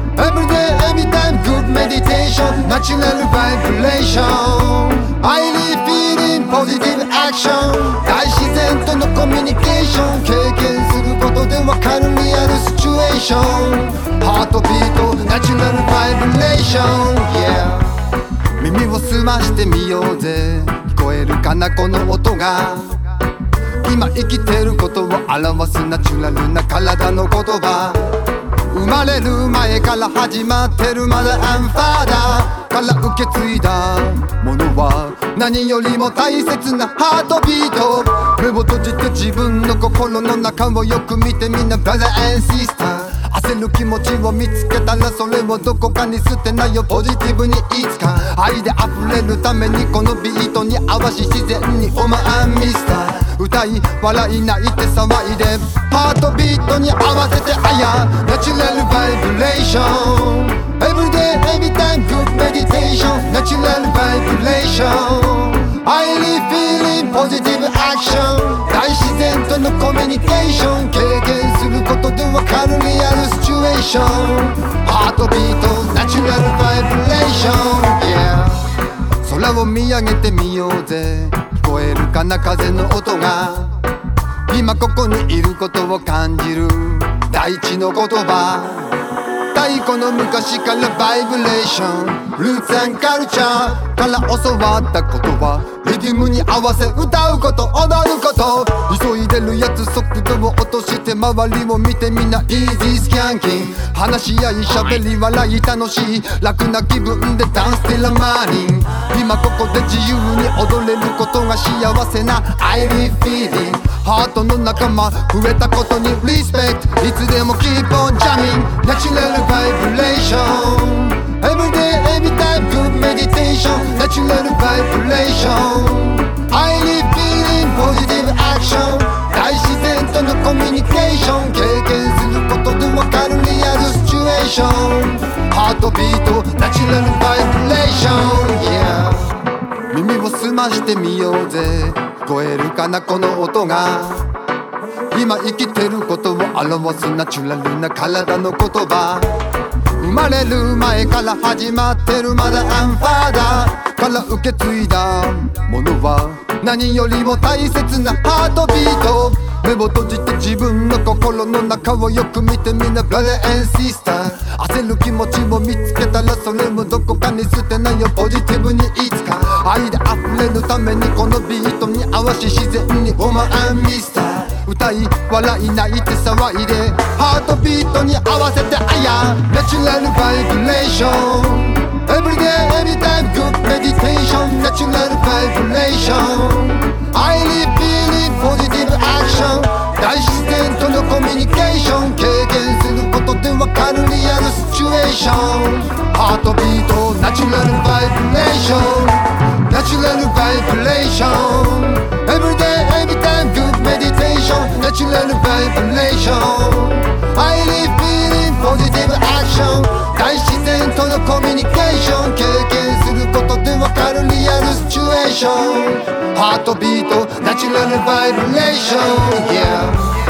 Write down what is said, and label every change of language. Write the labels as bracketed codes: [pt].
[en] Every day, every time, good meditation. Natural vibration. Highly feeling positive action. [ja] 大自然とのコミュニケーション。経験することでわかるリアルシチュエーション。 [en] ハートビート、natural vibration. Yeah. [ja] 耳を澄ましてみようぜ。聞こえるかなこの音が。今生きてることを表すナチュラルな体の言葉。生まれる前から始まってるマザーアンファーダーから受け継いだものは何よりも大切なハートビート。目を閉じて自分の心の中をよく見てみな、ブラザーアンシスター。焦る気持ちを見つけたらそれをどこかに捨てないよ、ポジティブにいつか。愛で溢れるためにこのビートに合わし自然にオマアンミスター。歌い笑い泣いて騒いでハートビートに合わせて、あやナチュラルバイブレーション。 [en] Every day, every time, good meditation. ナチュラルバイブレーション。 Highly feeling positive action. [ja] 大自然とのコミュニケーション。経験することでわかるリアルシチュエーション。 [en] ハートビート、ナチュラルバイブレーション。 Yeah. [ja] 空を見上げてみようぜ。聞こえるかな風の音が。今ここにいることを感じる大地の言葉。太古の昔からバイブレーション、ルーツ&カルチャーから教わった言葉。リズムに合わせ歌うこと踊ること。急いでるやつ速度を落として周りを見てみな、 [en] Easy Skanking。 [ja] 話し合い喋り笑い楽しい楽な気分でダンスティラマーニン。今ここで自由に踊れることが幸せな [en] I be feeling。 [ja] ハートの仲間増えたことにリスペクト。いつでも [en] keep on jamming。 Natural Vibration。 Every day, every time, good meditation. Natural Vibration. Highly feeling positive action. [ja] 大自然とのコミュニケーション。経験することでわかるリアルシチュエーション。 [en] ハートビート、 Natural Vibration、yeah. [ja] 耳を澄ましてみようぜ。聞こえるかなこの音が。今生きてることを表すナチュラルな体の言葉。生まれる前から始まってるマザーアンファーダーから受け継いだものは何よりも大切なハートビート。目を閉じて自分の心の中をよく見てみな、ブラザーアンシスター。焦る気持ちを見つけたらそれもどこかに捨てないよ、ポジティブにいつか。愛で溢れるためにこのビートに合わし自然にオマアンミスター。歌い笑い泣いて騒いでハートビートに合わせて、あやナチュラルバイブレーション。 [en] Every day, every time, good meditation. ナチュラルバイブレーション。 Highly feeling positive action. [ja] 大自然とのコミュニケーション。経験することでわかるリアルシチュエーション。 [en] ハートビート、ナチュラルバイブレーション。ナチュラルバイブレーション。 Every day, every time, good meditation. ナチュラルバイブレーション。 Highly feeling positive action. [ja] 大自然とのコミュニケーション。経験することでわかるリアルシチュエーション。ハートビート、ナチュラルバイブレーション、yeah.